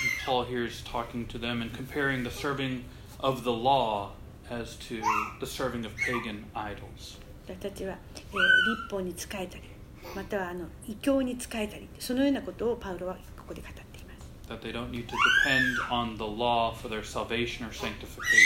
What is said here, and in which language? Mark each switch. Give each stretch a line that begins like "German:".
English: Paul here is talking to them and comparing the serving of the law as to the serving of pagan idols.
Japanese: 私たちは、律法に仕えたり、または異教に仕えたり、そのようなことをパウロはここで語っています。
English: That they don't need to depend on the law for their salvation or sanctification.